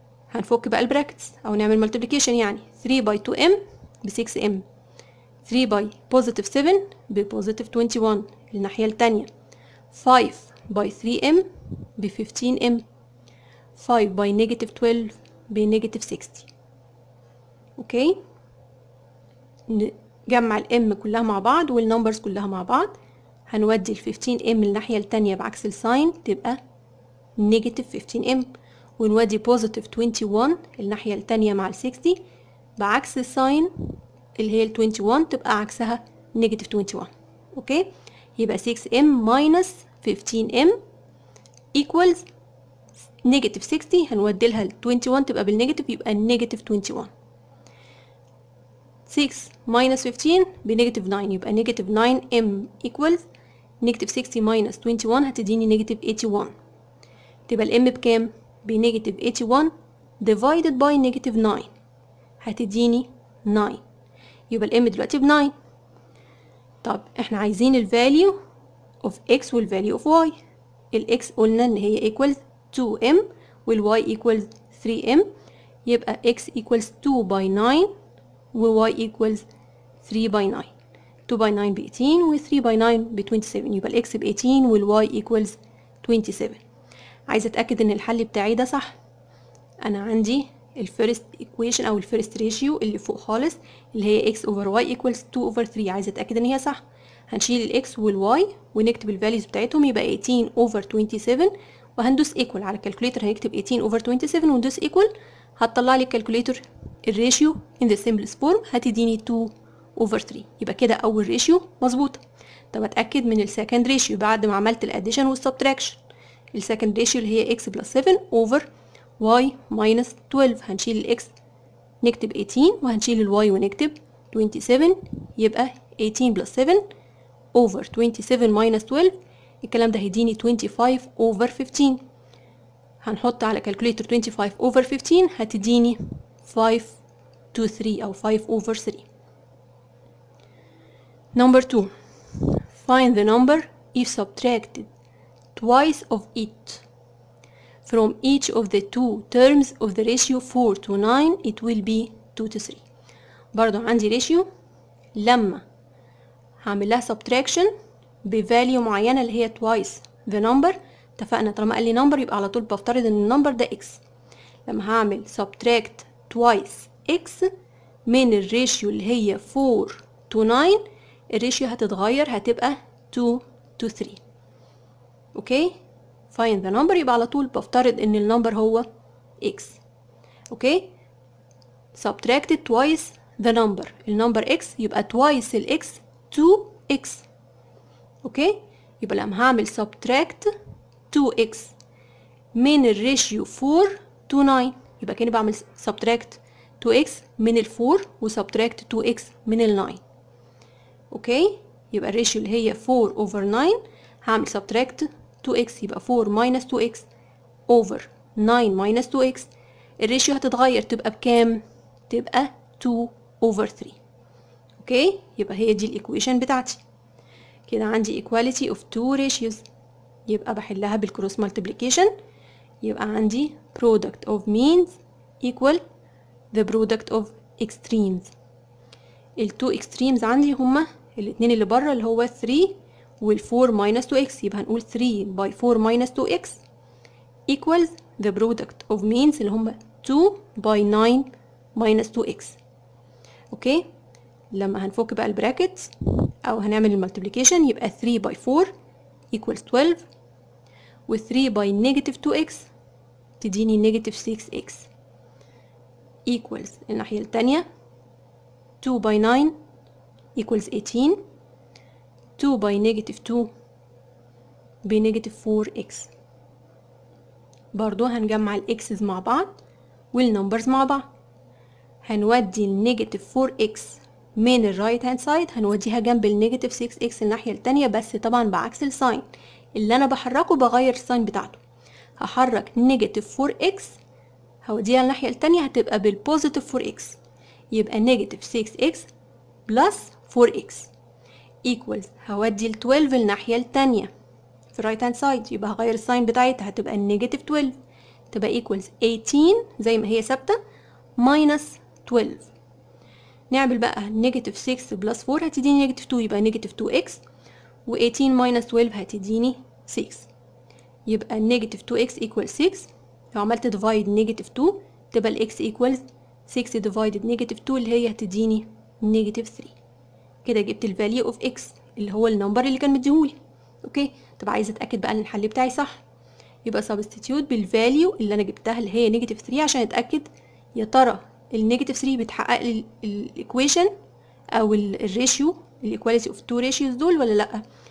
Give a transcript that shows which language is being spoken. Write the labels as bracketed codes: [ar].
[ar] هنفك بقى البراكتس أو نعمل multiplication, يعني [en] 3 by 2m [ar] ب6m, 3 by positive 7 ب positive 21 الناحية التانية, 5 by 3m ب 15m, [en] 5 by negative 12 [ar] ب negative 60. اوكي نجمع الm كلها مع بعض والnumbers كلها مع بعض, هنودي ال 15m الناحية التانية بعكس الساين تبقى negative 15m, ونودي positive 21 الناحية التانية مع ال 60 بعكس الساين اللي هي ال 21 تبقى عكسها negative 21. اوكي يبقى [en] 6m minus 15m equals negative 60, [ar] هنودي لها ال 21 تبقى بالنيجاتيف يبقى negative 21. 6 minus 15 بنيجاتيف 9 يبقى [en] negative 9m equals negative 60 minus 21 [ar] هتديني negative 81. تبقى الm بكام؟ بنيجاتيف 81 [en] divided by negative 9 هتديني 9. [ar] يبقى الام دلوقتي ب 9. طب احنا عايزين ال [en] value of x [ar] وال value of y. ال x قلنا ان هي equals 2m وال y equals 3m. [en] يبقى x equals 2 by 9 و y equals 3 by 9. [ar] 2 by 9 ب 18 و 3 by 9 ب 27. يبقى ال x ب 18 وال [en] y equals 27. [ar] عايزة اتأكد ان الحل بتاعي ده صح. انا عندي ال first equation او ال first ratio اللي فوق خالص اللي هي [en] x over y equals 2 over 3. [ar] عايزة اتأكد ان هي صح. هنشيل ال x وال y ونكتب ال values بتاعتهم. يبقى 18 over 27 وهندوس equal على الكالكوليتر. هنكتب 18 over 27 وندوس equal. هتطلع لي الكالكوليتر ال [en] ratio in the simplest form [ar] هتديني 2 over 3. يبقى كده اول ratio مظبوطة. طب اتأكد من ال [en] second ratio [ar] بعد ما عملت ال addition وال subtraction. [en] ال second ratio اللي هي x plus 7 over y minus 12. [ar] هنشيل ال x نكتب 18 وهنشيل ال y ونكتب 27. يبقى 18 plus 7 over 27 minus 12 الكلام ده هيديني 25 over 15. هنحط على كالكوليتر 25 over 15 هتديني 5 to 3 او 5 over 3. [en] Number 2, find the number if subtracted twice of it from each of the two terms of the ratio 4 to 9 it will be 2 to 3. [ar] برضو عندي ratio لما هعمل لها subtraction بفاليو معينة اللي هي twice the number. اتفقنا طالما قال لي number يبقى على طول بفترض ان number ده x. لما هعمل [en] subtract twice x [ar] من الratio اللي هي 4 to 9 الratio هتتغير هتبقى 2 to 3. اوكي find the number يبقى على طول بفترض ان number هو x. اوكي [en] subtract twice the number [ar] number x يبقى twice ال x 2x. اوكي يبقى لما هعمل subtract 2x من الريشيو 4 to 9 يبقى كاني بعمل subtract 2x من ال 4 و subtract 2x من ال 9. اوكي يبقى الريشيو اللي هي 4 over 9 هعمل subtract 2x يبقى [en] 4 minus 2x over 9 minus 2x. [ar] الريشيو هتتغير تبقى بكام؟ تبقى 2 over 3. اوكي يبقى هي دي الايكويشن بتاعتي. كده عندي [en] equality of two ratios [ar] يبقى بحلها بالكروس مالتيبليكيشن. [en] يبقى عندي product of means equal the product of extremes. [ar] التو extremes عندي هما الاتنين اللي بره اللي هو 3 وال 4 minus 2x. يبقى هنقول [en] 3 by 4 minus 2x equals the product of means اللي هما 2 by 9 minus 2x. [ar] اوكي لما هنفك بقى البراكت او هنعمل المالتيبليكيشن يبقى [en] 3 by 4 equals 12 [ar] و 3 by negative 2x تديني negative 6x equals الناحية التانية 2 by 9 equals 18 2 by negative 2 ب negative 4x. برضو هنجمع ال x's مع بعض وال numbers مع بعض. هنودي ال negative 4x من ال right hand side هنوديها جنب ال negative 6x الناحية التانية بس طبعا بعكس الساين اللي أنا بحركه بغير الساين بتاعته. هحرك negative 4x هوديها الناحية التانية هتبقى بال positive 4x. يبقى [en] negative 6x plus 4x equals [ar] هودي ال 12 الناحية التانية في right hand side يبقى هغير الساين بتاعتها هتبقى negative 12 تبقى equals 18 زي ما هي ثابتة minus 12. نعمل بقى negative 6 plus 4 هتديني negative 2 يبقى negative 2x و 18 minus 12 هتديني 6 يبقى [en] negative 2x equals 6. [ar] لو عملت divide negative 2 تبقى ال [en] x equals 6 divided negative 2 [ar] اللي هي هتديني negative 3. كده جبت ال [en] value of x [ar] اللي هو ال number اللي كان مديهولي. اوكي طب عايزة اتأكد بقى ان الحل بتاعي صح. يبقى substitute بال value اللي انا جبتها اللي هي negative 3 عشان اتأكد يا ترى النيجاتيف 3 بتحقق لي الايكويشن او الريشيو الايكواليتي اوف تو ريشيوز دول ولا لا.